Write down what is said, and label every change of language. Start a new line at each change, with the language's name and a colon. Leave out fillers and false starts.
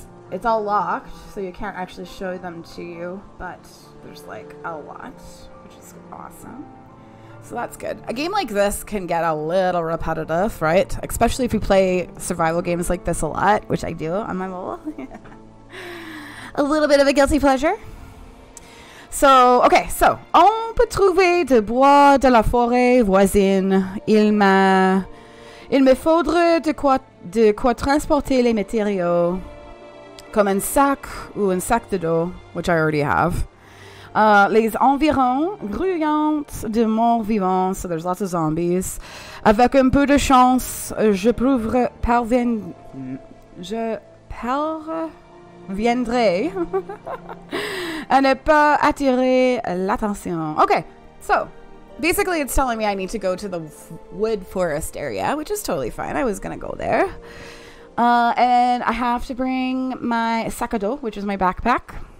English: It's all locked, so you can't actually show them to you, but there's like a lot, which is awesome. So that's good. A game like this can get a little repetitive, right? Especially if you play survival games like this a lot, which I do on my mobile. A little bit of a guilty pleasure.
French: So, on peut trouver des bois de la forêt voisine. Il me faudrait de quoi transporter les matériaux, comme un sac ou un sac de dos,
English: which I already have.
French: Les environs grouillants de mort vivant,
English: so there's lots of zombies.
French: Avec un peu de chance, je parviendrai à ne pas attirer l'attention.
English: Okay, so basically it's telling me I need to go to the wood forest area, which is totally fine. I was gonna go there. And I have to bring my sac à dos, which is my backpack.